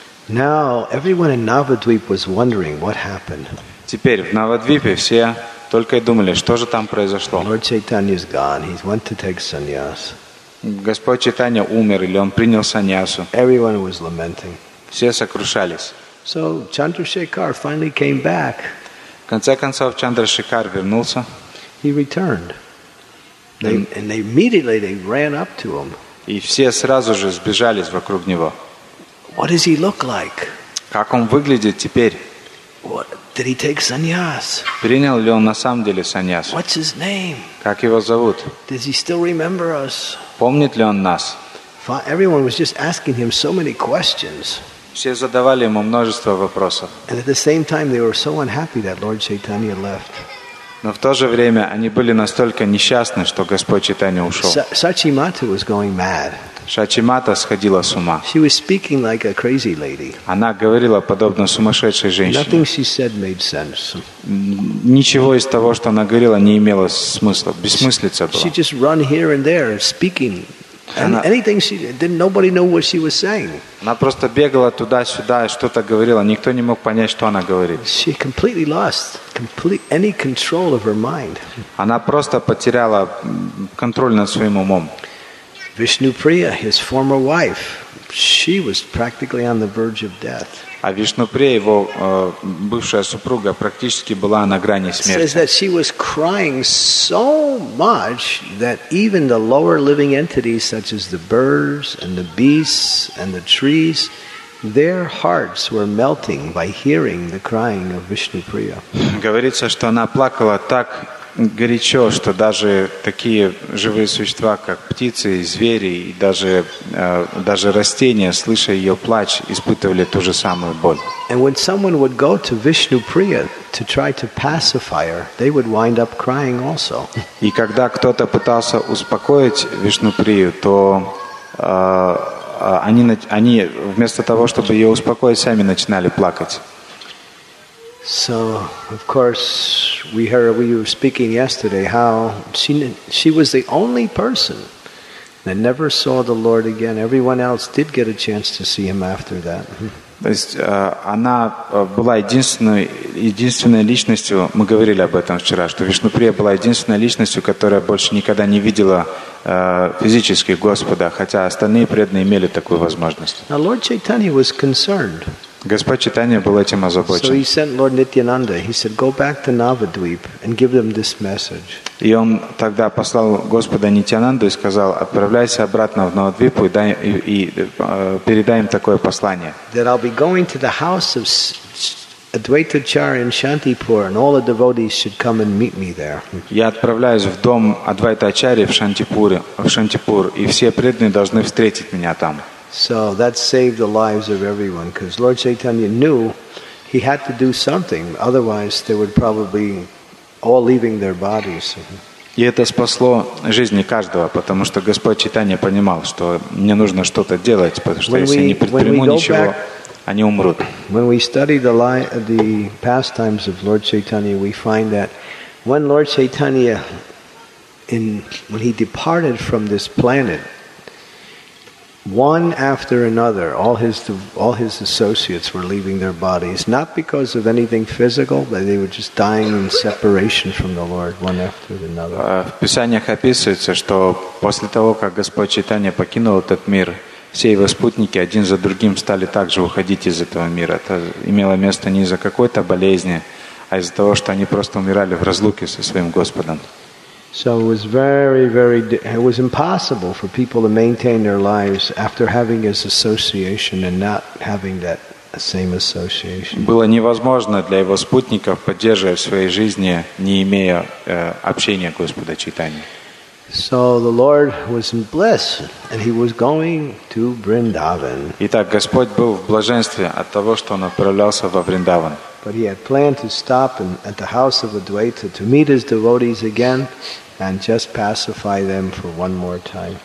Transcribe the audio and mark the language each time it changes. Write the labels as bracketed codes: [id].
[en] Now everyone in Navadvip was wondering what happened. [ru] Теперь в Навадвипе все только и думали, что же там произошло. [en] Lord Chaitanya is gone. He went to take sannyas. [ru] Господь Чайтанья умер или он принял саньясу. [en] Everyone was lamenting. [ru] Все сокрушались. [en] So Chandrasekhar finally came back. [ru] В конце концов Чандрашекар вернулся. [en] He returned. And they immediately they ran up to him. [ru] И все сразу же сбежались вокруг него. [en] What does he look like? [ru] Как он выглядит теперь? [en] What, did he take sannyas? [ru] Принял ли он на самом деле саньяс? [en] What's his name? [ru] Как его зовут? [en] Does he still remember us? [ru] Помнит ли он нас? [en] Everyone was just asking him so many questions. [ru] Все задавали ему множество вопросов. [en] And at the same time, they were so unhappy that Lord Chaitanya left. [ru] Но в то же время они были настолько несчастны, что Господь Чайтанья ушел. [en] Сачимата was going mad. [ru] Сачимата сходила с ума. [en] She was speaking like a crazy lady. [ru] Она говорила подобно сумасшедшей женщине. [en] Nothing she said made sense. [ru] Ничего из того, что она говорила, не имело смысла. Бессмыслица была. [en] She just run here and there speaking. Anything she didn't nobody knew what she was saying. [ru] Она просто бегала туда-сюда и что-то говорила. Никто не мог понять, что она говорит. [en] She completely lost any control of her mind. [ru] Она просто потеряла контроль над своим умом. [en] Vishnupriya, his former wife, she was practically on the verge of death. [ru] А Вишнуприя, его бывшая супруга, практически была на грани смерти. [en] Says that she was crying so much that even the lower living entities, such as the birds and the beasts and the trees, their hearts were melting by hearing the crying of Vishnupriya. [ru] Говорится, что она плакала так горячо, что даже такие живые существа, как птицы, звери и даже растения, слыша ее плач, испытывали ту же самую боль. [en] And when someone would go to Vishnupriya to try to pacify her, they would wind up crying also. [ru] И когда кто-то пытался успокоить Вишнуприю, то они вместо того, чтобы ее успокоить, сами начинали плакать. [en] So, of course, we heard we were speaking yesterday how she was the only person that never saw the Lord again. Everyone else did get a chance to see him after that. [ru] То есть она была единственной личностью. Мы говорили об этом вчера, что Вишнуприя была единственной личностью, которая больше никогда не видела физически Господа, хотя остальные преданные имели такую возможность. [en] Now, Lord Chaitanya was concerned. [ru] Господь Чайтанья был этим озабочен. [en] So he sent Lord Nityananda. He said, "Go back to Navadvip and give them this message." [ru] И он тогда послал Господа Нитьянанду и сказал: "Отправляйся обратно в Навадвип и передай им такое послание." [en] That I'll be going to the house of Advaita Acharya in Shantipur, and all the devotees should come and meet me there. [ru] Я отправляюсь в дом Адвайта Ачарьи в Шантипур, и все преданные должны встретить меня там. [en] So that saved the lives of everyone because Lord Chaitanya knew he had to do something, otherwise they would probably all leaving their bodies. [ru] И это спасло жизни каждого, потому что Господь Чайтанья понимал, что мне нужно что-то делать, потому что если я не предприму ничего, они умрут. [en] When we study the pastimes of Lord Chaitanya, we find that when Lord Chaitanya when he departed from this planet, one after another, all his associates were leaving their bodies, not because of anything physical, but they were just dying in separation from the Lord, one after another. [ru] В Писаниях описывается, что после того, как Господь Чайтанья покинул этот мир, все его спутники один за другим стали также выходить из этого мира. Это имело место не из-за какой-то болезни, а из-за того, что они просто умирали в разлуке со своим Господом. [en] So it was very, very impossible for people to maintain their lives after having his association and not having that same association. [ru] Было невозможно для его спутников поддерживать в своей жизни, не имея общения Господа Чайтаньи. [en] So the Lord was in bliss and he was going to Vrindavan. [ru] Итак, Господь был в блаженстве от того, что он отправлялся во Вриндаван. [en] But he had planned to stop at the house of Advaita to meet his devotees again and just pacify them for one more time.